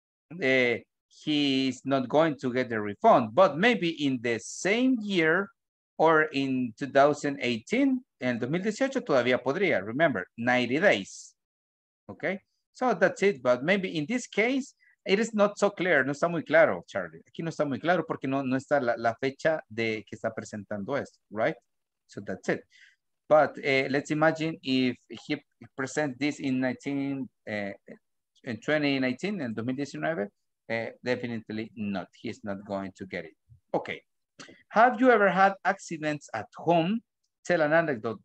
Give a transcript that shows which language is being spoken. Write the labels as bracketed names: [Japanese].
[English] he is not going to get the refund, but maybe in the same year or in 2018, [Spanish] en 2018 todavía podría, [English] remember, 90 days, okay? So that's it, but maybe in this case, it is not so clear, [Spanish] no está muy claro, [English] Charlie. [Spanish] Aquí no está muy claro porque no está la fecha de que está presentando esto, right? [English] So that's it. But let's imagine if he presents this in 2019, definitely not. He's not going to get it. Okay. Have you ever had accidents at home? Tell an anecdote.